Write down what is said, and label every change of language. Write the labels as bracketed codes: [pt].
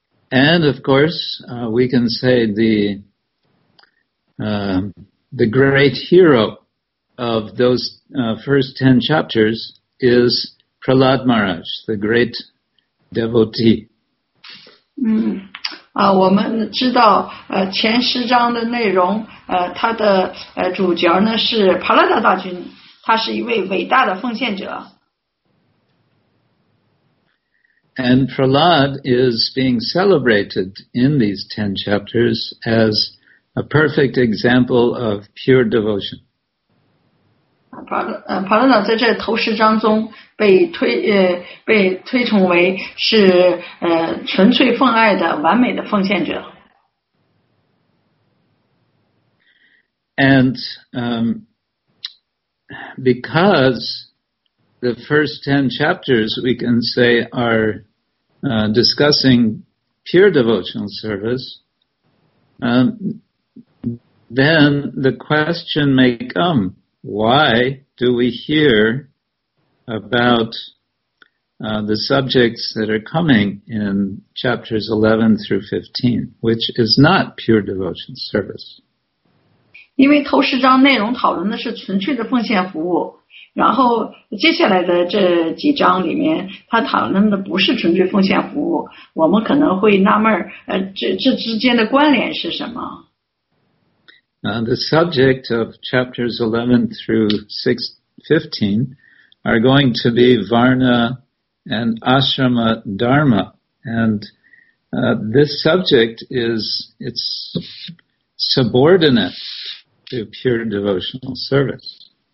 [en] And of course, we can say the great hero of those first 10 chapters is Prahlad Maharaj, the great devotee. [zh] 我们知道前十章的内容他的主角呢是帕拉达大君，他是一位伟大的奉献者。 [en] And Prahlad is being celebrated in these 10 chapters as a perfect example of pure devotion. [zh] Prahlad 在这头十章中被推崇为是纯粹奉爱的完美的奉献者。 [en] And because the first 10 chapters, we can say, are discussing pure devotional service, then the question may come, why do we hear about the subjects that are coming in chapters 11 through 15, which is not pure devotional service? [zh] 因为头十章内容讨论的是纯粹的奉献服务。然后接下来的这几章里面他讨论的不是纯粹奉献服务，我们可能会纳闷这之间的关联是什么。 [en] The subject of chapters 11 through 15 are going to be Varna and Ashrama Dharma, and this subject it's subordinate to pure devotional service.